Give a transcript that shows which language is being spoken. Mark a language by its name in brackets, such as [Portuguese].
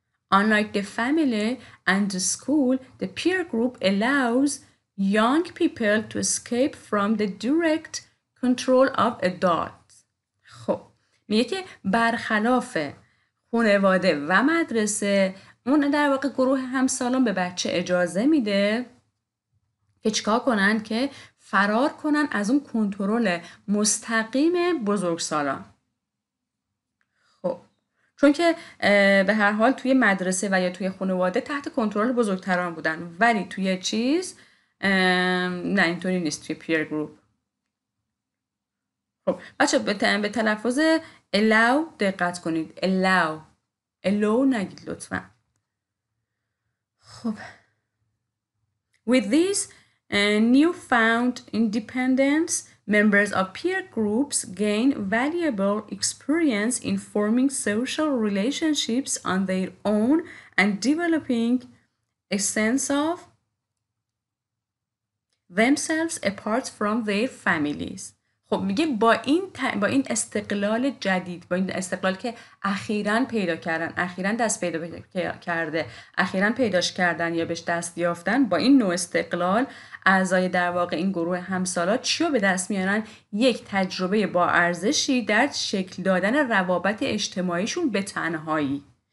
[English] Unlike the family and the school, the peer group allows young people to escape from the direct control of adults. [Persian] خب میگه که برخلاف خانواده و مدرسه، اون در واقع گروه همسالان به بچه اجازه میده که چیکار کنن؟ که فرار کنن از اون کنترل مستقیم بزرگسالان. خب چون که به هر حال توی مدرسه و یا توی خانواده تحت کنترل بزرگتران بودن، ولی توی چیز نه، اینطوری نیست توی پیر گروپ. خب بچه به تلفظ allow دقت کنید. allow نگید لطفا. [English] خب with this newfound independence, members of peer groups gain valuable experience in forming social relationships on their own and developing a sense of themselves apart from their families. [Persian] خب میگه با این استقلال جدید، با این استقلال که اخیراً پیدا کردن، اخیراً دست پیدا کرده، اخیراً پیداش کردن یا بهش دست یافتن، با این نوع استقلال اعضای در واقع این گروه همسالا چی رو به دست میارن؟ یک تجربه با ارزشی در شکل دادن روابط اجتماعیشون به تنهایی.